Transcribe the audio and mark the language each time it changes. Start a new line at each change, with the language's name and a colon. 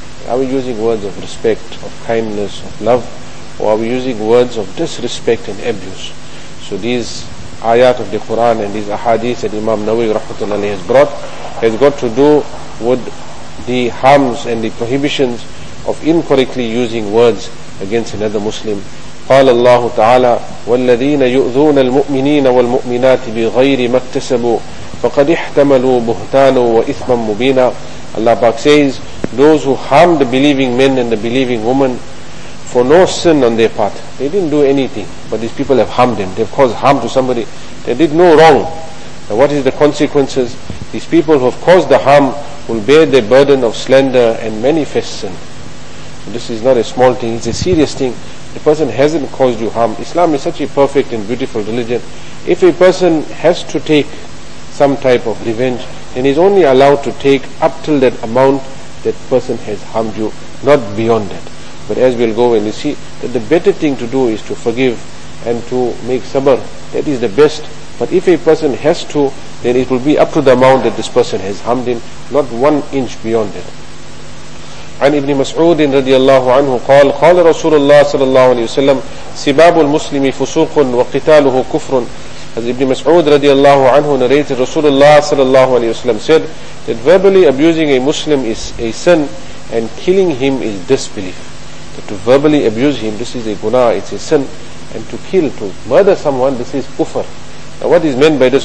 English: Are we using words of respect, of kindness, of love, or are we using words of disrespect and abuse? So these ayat of the Quran and these ahadith that Imam Nawawi rahmatullahi alayhi has brought has got to do with the harms and the prohibitions of incorrectly using words against another Muslim.
Arabic: قال الله تعالى والذين يؤذون المؤمنين والمؤمنات بغير ما اكتسبوا فقد احتملوا بهتانا وإثما مبينا.
English: Allah Pak says, those who harm the believing men and the believing women for no sin on their part, they didn't do anything, but these people have harmed them, they've caused harm to somebody, they did no wrong. Now what is the consequences? These people who have caused the harm will bear the burden of slander and manifest sin. So this is not a small thing, it's a serious thing. The person hasn't caused you harm. Islam is such a perfect and beautiful religion. If a person has to take some type of revenge, then he's only allowed to take up till that amount that person has harmed you, not beyond that. But as we'll go and we see, that the better thing to do is to forgive and to make sabr. That is the best. But if a person has to, then it will be up to the amount that this person has harmed him, not one inch beyond that.
Arabic: عن ابن مسعود رضي الله عنه قال قال رسول الله صلى الله عليه وسلم سباب المسلم فسوق وقتاله كفر. ابن مسعود رضي الله عنه
English: narrated
Arabic: رسول الله صلى الله عليه وسلم
English: said that verbally abusing a Muslim is a sin and killing him is disbelief. That to verbally abuse him, this is a guna, it's a sin, and to kill, to murder someone, this is kufr. Now what is meant by this?